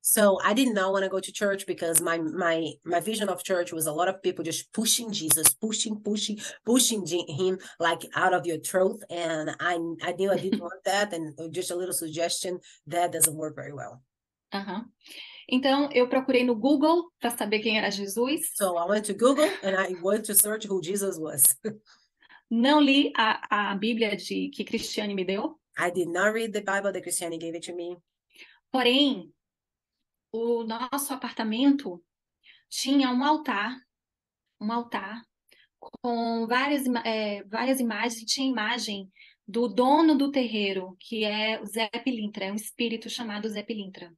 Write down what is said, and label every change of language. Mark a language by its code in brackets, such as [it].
[en] So I did not want to go to church because my vision of church was a lot of people just pushing Jesus, pushing him like out of your throat. And I knew I didn't want that. And just a little suggestion, that doesn't work very well. [pt] Então eu procurei no Google para saber quem era Jesus. [en] So I went to Google and I went to search who Jesus was. [pt] Não li a Bíblia que Cristiane me deu. [en] I did not read the Bible that Cristiane gave it to me. [pt] Porém, o nosso apartamento tinha um altar com várias imagens, tinha imagem do dono do terreiro, que é o Zé Pilintra, é um espírito chamado Zé Pilintra.